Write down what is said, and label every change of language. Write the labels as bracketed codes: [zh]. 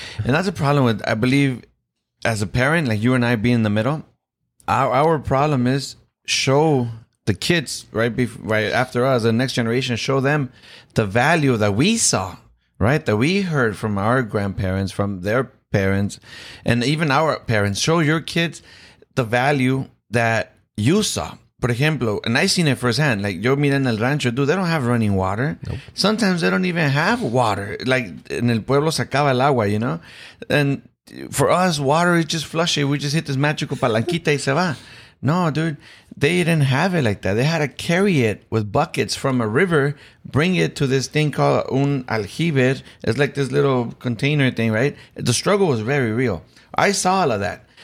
[en] And that's a problem with, I believe, as a parent, like you and I being in the middle, our problem is show the kids right after us, the next generation, show them the value that we saw, right? That we heard from our grandparents, from their parents, and even our parents. Show your kids the value that you saw. For example, and I seen it firsthand, like, [es] yo mira en el rancho, [en] dude, they don't have running water. Nope. Sometimes they don't even have water. [es] Like, en el pueblo se acaba el agua, you know? [en] And for us, water is just flushy. We just hit this magical [es] palanquita y se va. [en] No, dude, they didn't have it like that. They had to carry it with buckets from a river, bring it to this thing called [es] un aljibe. [en] It's like this little container thing, right? The struggle was very real. I saw all of that.